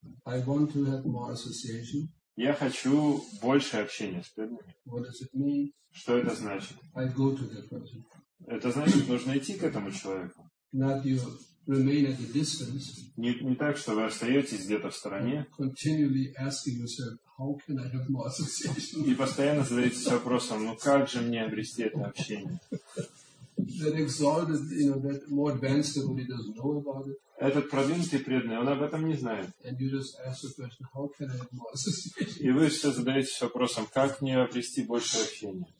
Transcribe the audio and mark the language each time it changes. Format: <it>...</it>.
<en>I want to have more association.</en> <ru>Я хочу больше общения с преданными. Что это значит?</ru> <en>Go to that person.</en> <ru>Это значит, нужно идти к этому человеку.</ru> <en>Not you remain at a distance,</en> <ru>не так, что вы остаетесь где-то в стороне.</ru> <en>Continually asking yourself, how can I have more association?</en> <ru>И постоянно задаетесь вопросом, ну как же мне обрести это общение?</ru> <en>That exalted, you know, that more advanced somebody doesn't know about it.</en> <ru>Этот продвинутый преданный, он об этом не знает.</ru> <en>And you just ask the question, how can I have more association?</en> <ru>И вы все задаетесь вопросом, как мне обрести больше общения.</ru>